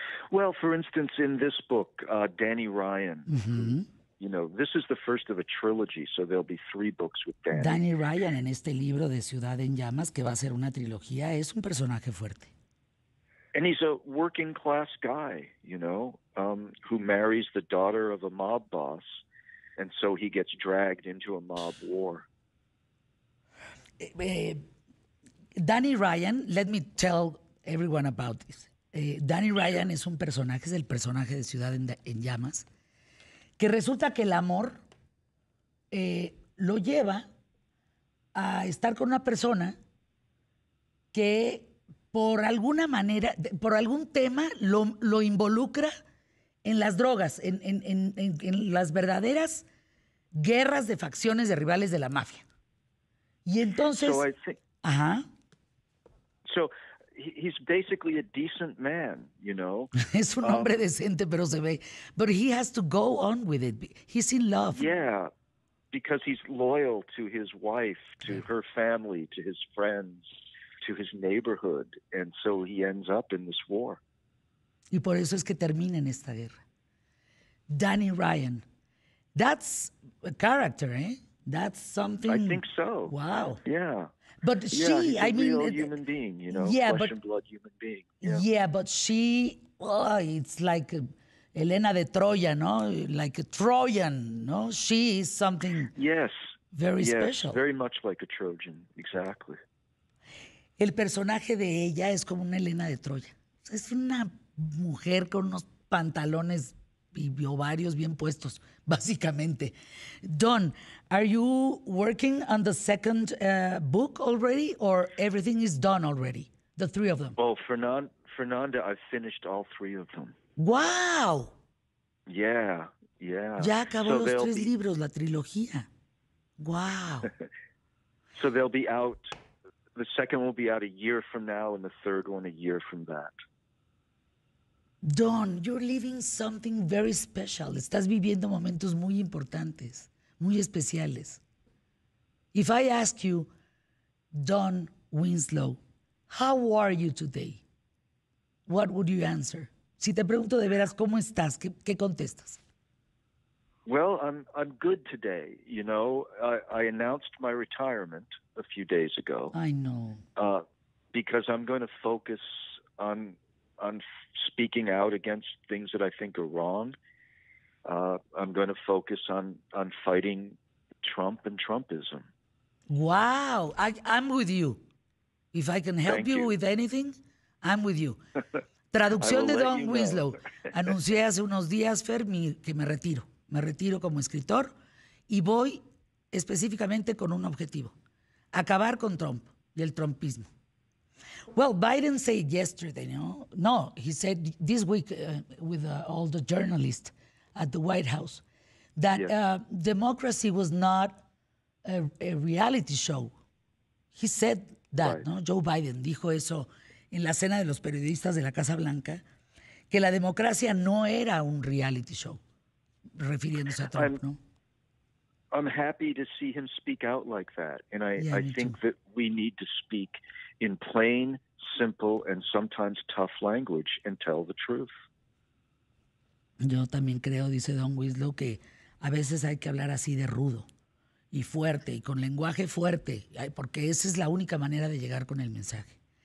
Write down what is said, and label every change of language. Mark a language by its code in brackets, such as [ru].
[en] Well, for instance, in this book, Danny Ryan. Mm-hmm. You know, this is the first of a trilogy, so there'll be three books with Danny. [es] Danny Ryan, en este libro de Ciudad en Llamas, que va a ser una trilogía, es un personaje fuerte. [en] And he's a working class guy, you know, who marries the daughter of a mob boss, and so he gets dragged into a mob war. Danny Ryan, let me tell everyone about this. [es] Danny Ryan es un personaje, es el personaje de Ciudad en Llamas, que resulta que el amor lo lleva a estar con una persona que por alguna manera, por algún tema, lo involucra en las drogas, en las verdaderas guerras de facciones de rivales de la mafia. Y entonces... Ajá. [en] So, he's basically a decent man, you know. [es] Es un hombre decente, pero se ve. [en] But he has to go on with it. He's in love. Yeah, because he's loyal to his wife, to her family, to his friends, to his neighborhood. And so he ends up in this war. Y por eso es que termina en esta guerra. Danny Ryan. That's a character, eh? That's something. I think so. Wow. Yeah. But she, yeah, he's a I mean, real human being, you know, yeah, flesh but, and blood human being. Yeah, yeah, but she, oh, it's like Elena de Troya, no? Like a Trojan, no? She is something very special. Yes, very much like a Trojan, exactly. [es] El personaje de ella es como una Elena de Troya. Es una mujer con unos pantalones y ovarios bien puestos, básicamente. [en] Don, are you working on the second book already, or everything is done already, the three of them? Well, Fernanda, I've finished all three of them. Wow! Yeah, yeah. [es] Ya acabó so los tres libros, la trilogía. [en] Wow! So they'll be out, the second will be out a year from now, and the third one a year from that. Don, you're living something very special. [es] Estás viviendo momentos muy importantes, muy especiales. [en] If I ask you, Don Winslow, how are you today? What would you answer? [es] Si te pregunto de veras cómo estás, ¿qué contestas? [en] Well, I'm good today. You know, I announced my retirement a few days ago. I know. Because I'm going to focus on speaking out against things that I think are wrong. I'm going to focus on fighting Trump and Trumpism. Wow. I'm with you. If I can help you with anything, I'm with you. [es] Traducción de Don Winslow. Anuncié hace unos días, Fer, que me retiro. Me retiro como escritor y voy específicamente con un objetivo. Acabar con Trump y el trumpismo. [en] Well, Biden said yesterday, you know, no, he said this week with all the journalists at the White House that democracy was not a reality show. He said that, right. [es] No, Joe Biden dijo eso en la cena de los periodistas de la Casa Blanca, que la democracia no era un reality show, refiriéndose a Trump, ¿no? [en] I'm happy to see him speak out like that, and I think that we need to speak in plain, simple and sometimes tough language and tell the truth. [es] Yo también creo, dice Don Winslow, que a veces hay que hablar así de rudo y fuerte y con lenguaje fuerte, porque esa es la única manera de llegar con el mensaje.